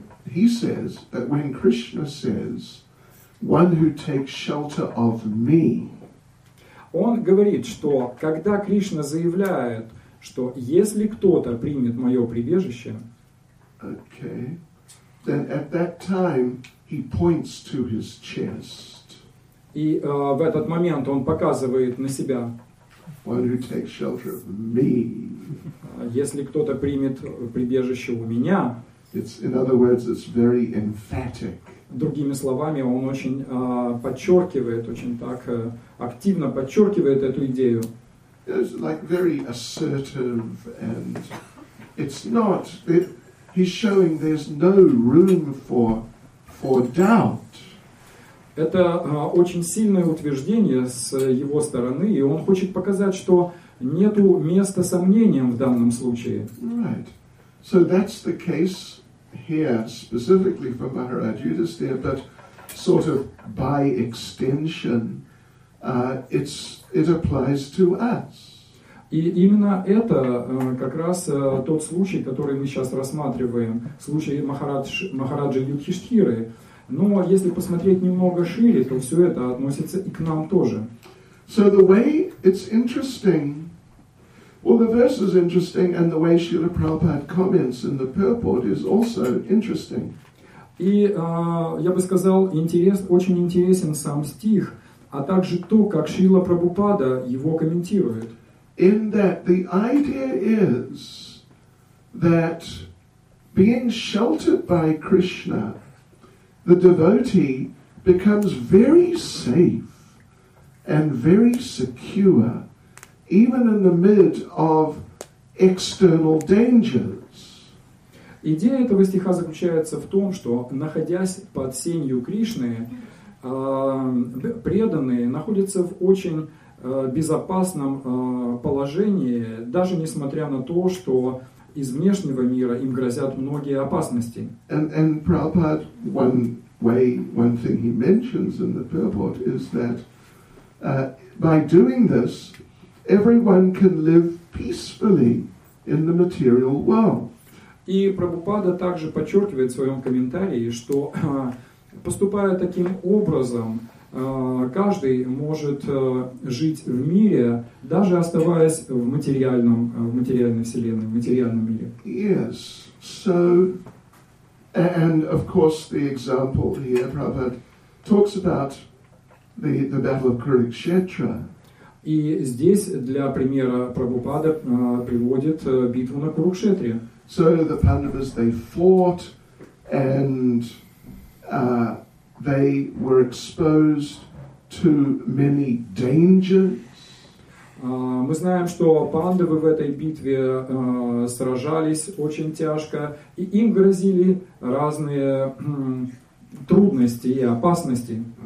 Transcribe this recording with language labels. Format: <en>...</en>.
<en>He says that when Krishna says, one who takes shelter of me.</en> <ru>Он говорит, что когда Кришна заявляет, что если кто-то примет мое прибежище,</ru> <en>okay. Then at that time he points to his chest.</en> <ru>И в этот момент он показывает на себя.</ru> <en>One who takes shelter of me.</en> <ru>Если кто-то примет прибежище у меня.</ru> <en>It's, in other words, it's very emphatic.</en> <ru>Другими словами, он очень подчеркивает, очень так активно подчеркивает эту идею.</ru> <en>It's like very assertive, and it's not. He's showing there's no room for doubt.</en> <ru>Это очень сильное утверждение с его стороны, и он хочет показать, что нету места сомнениям в данном случае.</ru> <en>Right. So that's the case here, specifically for Maharaj Yudhisthira, but sort of by extension, it applies to us.</en> <ru>И именно это как раз тот случай, который мы сейчас рассматриваем, случай Махараджи Юдхиштхиры. Но если посмотреть немного шире, то все это относится и к нам тоже.</ru> <en>So the way it's interesting, well, the verse is interesting, and the way Srila Prabhupada comments in the purport is also interesting.</en> <ru>И я бы сказал, очень интересен сам стих, а также то, как Шрила Прабхупада его комментирует.</ru> <en>In that the idea is that being sheltered by Krishna, the devotee becomes very safe and very secure, even in the midst of external dangers.</en> <ru>Идея этого стиха заключается в том, что, находясь под сенью Кришны, преданные находятся в очень безопасном положении, даже несмотря на то, что из внешнего мира им грозят многие опасности.</ru> <en>And Prabhupada, one thing he mentions in the purport is that by doing this, everyone can live peacefully in the material world.</en> <ru>И Прабхупада также подчеркивает в своем комментарии, что поступая таким образом, каждый может жить в мире, даже оставаясь в материальном, в материальной вселенной, в материальном мире.</ru> <en>Yes. So, and of course, the example here, Prabhupada talks about the battle of Kurukshetra.</en> <ru>И здесь для примера Прабхупада приводит битву на Курукшетре.</ru> <en>So the Pandavas, they fought, and they were exposed to many dangers.</en> <ru>Мы знаем, что пандавы в этой битве сражались очень тяжко, и им грозили разные трудности и опасности.</ru>